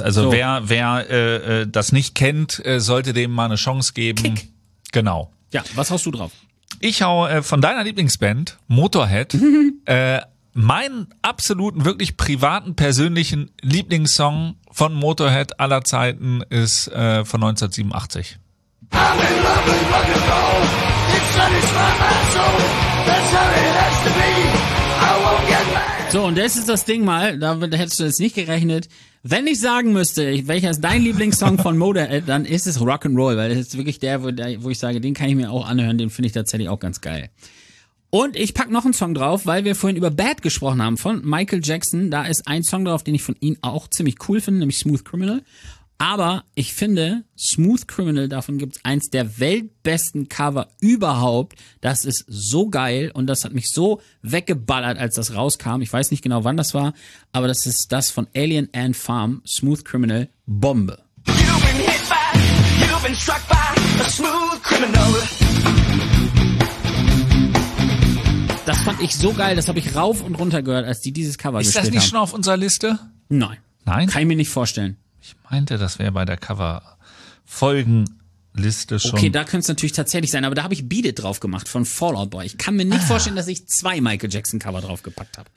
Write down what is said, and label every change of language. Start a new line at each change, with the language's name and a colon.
German: Also wer das nicht kennt, sollte dem mal eine Chance geben. Kick. Genau. Ja, was haust du drauf? Ich hau von deiner Lieblingsband, Motorhead, meinen absoluten, wirklich privaten, persönlichen Lieblingssong von Motorhead aller Zeiten ist von 1987.
English: I'm in love with rock and roll. It satisfies my soul. That's how it has to be. I won't get back.
German: So, und das ist das Ding mal, da hättest du jetzt nicht gerechnet. Wenn ich sagen müsste, welcher ist dein Lieblingssong von Motorhead, dann ist es Rock'n'Roll, weil das ist wirklich der, wo ich sage, den kann ich mir auch anhören, den finde ich tatsächlich auch ganz geil. Und ich pack noch einen Song drauf, weil wir vorhin über Bad gesprochen haben von Michael Jackson. Da ist ein Song drauf, den ich von ihm auch ziemlich cool finde, nämlich Smooth Criminal. Aber ich finde, Smooth Criminal, davon gibt es eins der weltbesten Cover überhaupt. Das ist so geil und das hat mich so weggeballert, als das rauskam. Ich weiß nicht genau, wann das war, aber das ist das von Alien Ant Farm, Smooth Criminal, Bombe.
English: You've been hit by, you've been struck by a smooth criminal.
German: Das fand ich so geil, das habe ich rauf und runter gehört, als die dieses Cover gespielt haben. Ist das nicht schon auf unserer Liste? Nein. Nein? Kann ich mir nicht vorstellen. Ich meinte, das wäre bei der Cover-Folgenliste schon. Okay, da könnte es natürlich tatsächlich sein, aber da habe ich Beat It drauf gemacht von Fall Out Boy. Ich kann mir nicht vorstellen, dass ich zwei Michael Jackson-Cover draufgepackt habe.